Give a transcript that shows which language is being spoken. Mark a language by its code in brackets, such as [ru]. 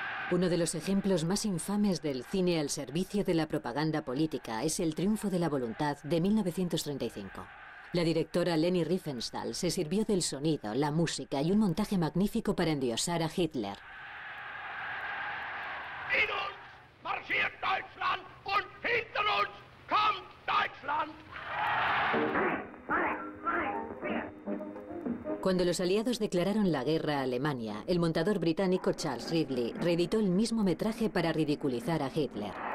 [es] Uno de los ejemplos más infames del cine al servicio de la propaganda política es El triunfo de la voluntad de 1935. La directora Leni Riefenstahl se sirvió del sonido, la música y un montaje magnífico para endiosar a Hitler. [de] In uns marschiert Deutschland und hinter uns kommt Deutschland. [es] Cuando los aliados declararon la guerra a Alemania, el montador británico Charles Ridley reeditó el mismo metraje para ridiculizar a Hitler.